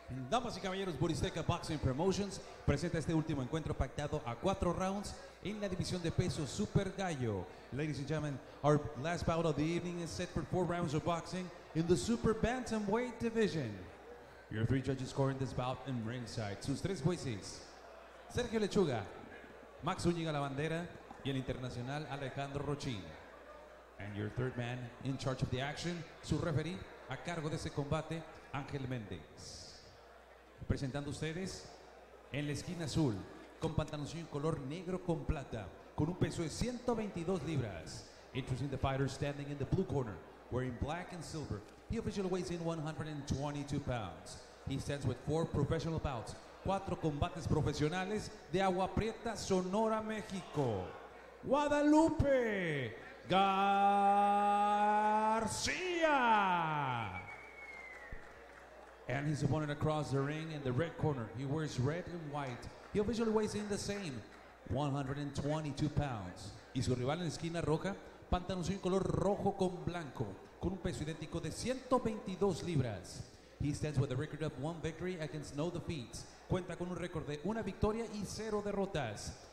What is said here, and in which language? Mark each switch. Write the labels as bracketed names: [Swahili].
[Spanish] Damas y caballeros, Buristeca Boxing Promotions presenta este último encuentro pactado a cuatro rounds in la división de peso Super Gallo. [English] Ladies and gentlemen, our last bout of the evening is set for four rounds of boxing in the Super Bantamweight division. Your three judges scoring this bout in ringside. [Spanish] Sus tres jueces, Sergio Lechuga, Max Zúñiga La Bandera, y el internacional Alejandro Rochín. [English] And your third man in charge of the action, [Spanish] su referee, a cargo de ese combate, [English] Ángel Méndez. [Spanish] Presentando ustedes, en la esquina azul, con pantaloncillo en color negro con plata, con un peso de 122 libras. [English] Introducing the fighter standing in the blue corner, wearing black and silver. He officially weighs in 122 pounds. He stands with 4 professional bouts, [Spanish] 4 combates profesionales [English] de Agua Prieta, Sonora, Mexico. Guadalupe Garcia. And his opponent across the ring in the red corner. He wears red and white. He officially weighs in the same, 122 pounds. [Spanish] Y su rival en la esquina roja, pantalones en color rojo con blanco, con un peso idéntico de 122 libras. [English] He stands with a record of 1 victory against no defeats. [Spanish] Cuenta con un récord de 1 victoria y 0 derrotas.